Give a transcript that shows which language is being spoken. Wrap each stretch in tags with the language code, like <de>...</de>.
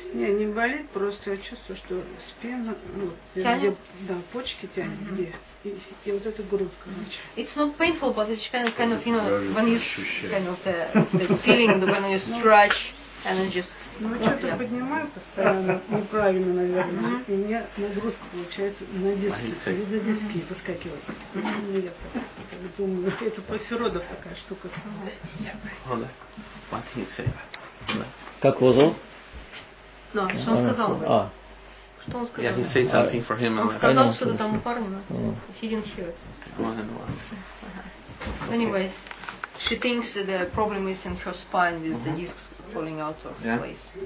<ru>Не, не болит, просто я чувствую, что спина, ну, тянет? Где, да, почки тянет, mm-hmm. где, и вот эта грудь, короче.</ru> <en>It's not painful, but it's kind of, you know, when you, kind of the feeling, when you stretch, and it just...</en> <ru>Ну, вот, что-то yeah. поднимаю постоянно, неправильно, наверное, mm-hmm. и у меня нагрузка получается на диски, или на диски выскакивает. Mm-hmm. Ну, я так думаю, это после родов такая штука.</ru> <en>What he said?</en> <ru>Как его зовут? Да, что он сказал? А, Что он сказал?</ru> <en>Yeah, he said something for him.</en> <ru>Он сказал что-то там парню.</ru> <en>He didn't hear it. Anyways, she thinks that the problem is in her spine with the discs falling out of place.</en>